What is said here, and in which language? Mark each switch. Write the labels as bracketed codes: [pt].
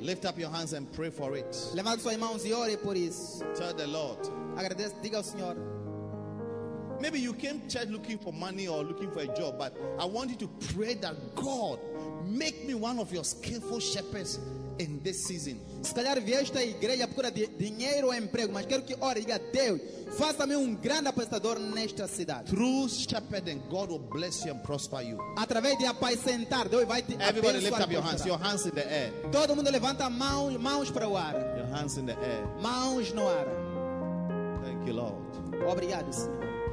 [en] Lift up your hands and pray for it. [pt] Levante suas mãos e ore por isso. [en] Tell the Lord. [pt] Agradeça, diga ao Senhor. [en] Maybe you came to church looking for money or looking for a job, but I want you to pray that God make me one of your skillful shepherds in this season. [pt] Se calhar vieste à igreja à procura de dinheiro ou emprego, mas quero que ore e diga, Deus, faça-me grande apacentador nesta cidade. [en] Through shepherding, God will bless you and prosper you. [pt] Através de apacentar, Deus vai te abençoar. [en] Everybody lift up your hands in the air. [pt] Todo mundo levanta mãos para o ar. [en] Your hands in the air. [pt] Mãos no ar. [en] Thank you, Lord. [pt] Obrigado, Senhor.